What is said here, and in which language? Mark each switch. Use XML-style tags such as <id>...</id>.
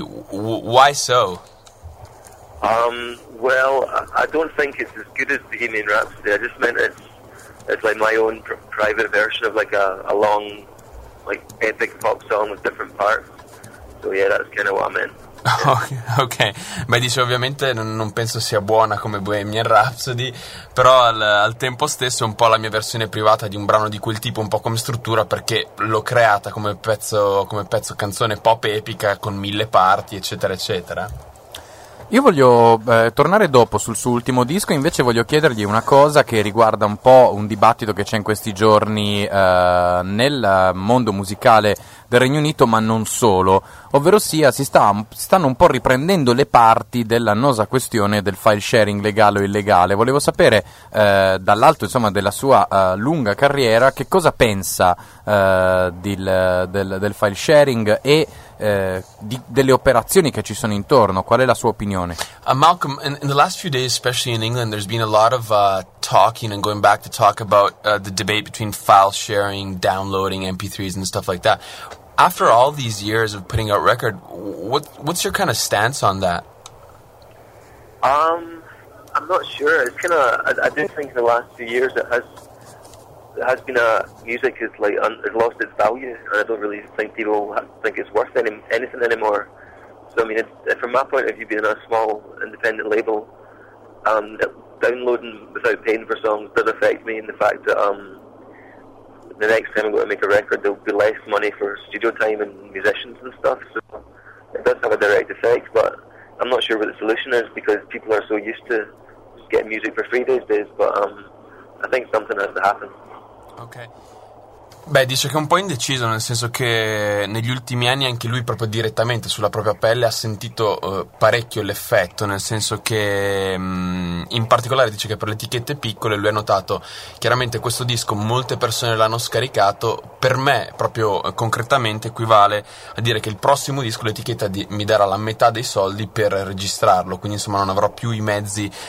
<en>Why so? Well, I don't think it's as good as Bohemian Rhapsody. I just meant it's like my own private version of like a long, like epic pop song with different parts. So yeah, that's kind of what I meant.</en> <it>Oh, ok, beh, dice ovviamente non penso sia buona come Bohemian Rhapsody, però al tempo stesso è un po' la mia versione privata di un brano di quel tipo, un po' come struttura, perché l'ho creata come pezzo canzone pop epica con mille parti, eccetera eccetera. Io voglio tornare dopo sul suo ultimo disco, invece voglio chiedergli una cosa che riguarda un po' un dibattito che c'è in questi giorni nel mondo musicale del Regno Unito, ma non solo, ovvero sia si stanno un po' riprendendo le parti dell'annosa questione del file sharing legale o illegale. Volevo sapere dall'alto, insomma, della sua lunga carriera, che cosa pensa del file sharing e delle operazioni che ci sono intorno. Qual è la sua opinione?</it> <en>Malcolm, in the last few days, especially in England, there's been a lot of talking and going back to talk about the debate between file sharing, downloading MP3s and stuff like that. After all these years of putting out record, what's your kind of stance on that? I'm not sure. It's kind of, I do think in the last few years it has been music has like has lost its value, and I don't really think people think it's worth anything anymore. So I mean, from my point of view, being a small independent label, downloading without paying for songs does affect me in the fact that the next time I'm going to make a record, there'll be less money for studio time and musicians and stuff. So it does have a direct effect, but I'm not sure what the solution is, because people are so used to getting music for free these days. But I think something has to happen. Ok.</en> <it>Beh, dice che è un po' indeciso, nel senso che negli ultimi anni anche lui proprio direttamente sulla propria pelle ha sentito parecchio l'effetto, nel senso che in particolare dice che per le etichette piccole lui ha notato chiaramente questo disco, molte persone l'hanno scaricato, per me proprio concretamente equivale a dire che il prossimo disco l'etichetta mi darà la metà dei soldi per registrarlo, quindi insomma non avrò più i mezzi</it>